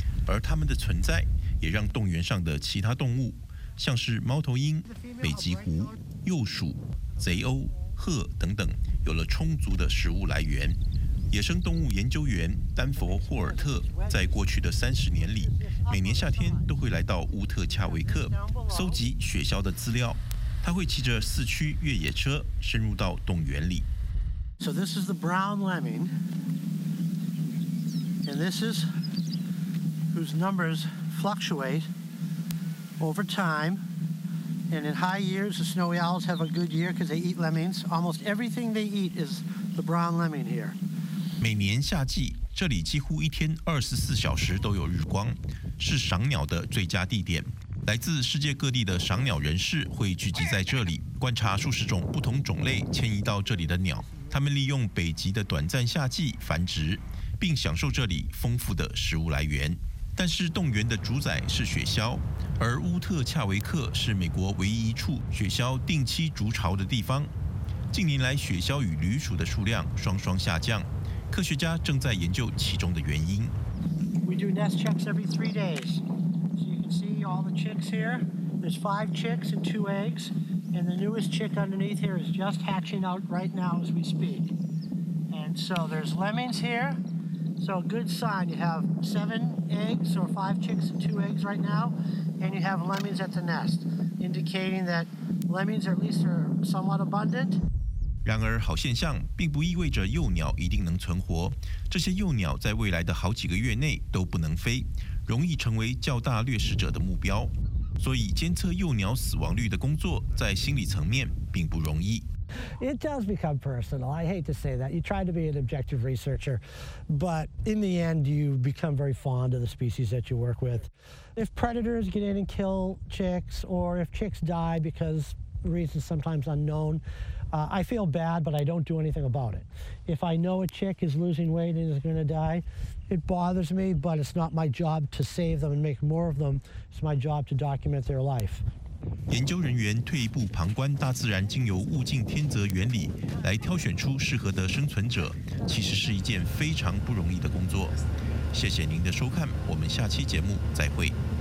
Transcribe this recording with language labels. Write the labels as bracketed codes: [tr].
[zh] 而它们的存在，也让动员上的其他动物，像是猫头鹰、北极狐、鼬鼠、贼鸥、鹤等等，有了充足的食物来源。野生动物研究员丹佛·霍尔特在过去的30年里，每年夏天都会来到乌特恰维克搜集雪鸮的资料。他会骑着四驱越野车深入到动员里。 [en] So this is the brown lemming, and this is whose numbers fluctuate. Over time, and in high years, the snowy owls have a good year because they eat lemmings. Almost everything they eat is the brown lemming here. [zh] 每年夏季，这里几乎一天24小时都有日光，是赏鸟的最佳地点。来自世界各地的赏鸟人士会聚集在这里，观察数十种不同种类迁移到这里的鸟。他们利用北极的短暂夏季繁殖，并享受这里丰富的食物来源。但是动员的主宰是雪鸮，而乌特恰维克是美国唯一一处雪鸮定期筑巢的地方。近年来，雪鸮与旅鼠的数量双双下降，科学家正在研究其中的原因。 [en] We do nest checks every 3 days, so you can see all the chicks here. There's 5 chicks and 2 eggs, and the newest chick underneath here is just hatching out right now as we speak. And so there's lemmings here. So a good sign, you have 7 eggs or 5 chicks and 2 eggs right now, and you have lemmings at the nest, indicating that lemmings at least are somewhat abundant. [zh] 然而好现象并不意味着幼鸟一定能存活，这些幼鸟在未来的好几个月内都不能飞，容易成为较大掠食者的目标。所以监测幼鸟死亡率的工作在心理层面并不容易。 [en] It does become personal. I hate to say that. You try to be an objective researcher, but in the end, you become very fond of the species that you work with. If predators get in and kill chicks, or if chicks die because reasons sometimes unknown, I feel bad, but I don't do anything about it. If I know a chick is losing weight and is going to die, it bothers me, but it's not my job to save them and make more of them. It's my job to document their life. [zh] 研究人员退一步旁观，大自然经由物竞天择原理来挑选出适合的生存者，其实是一件非常不容易的工作。谢谢您的收看，我们下期节目再会。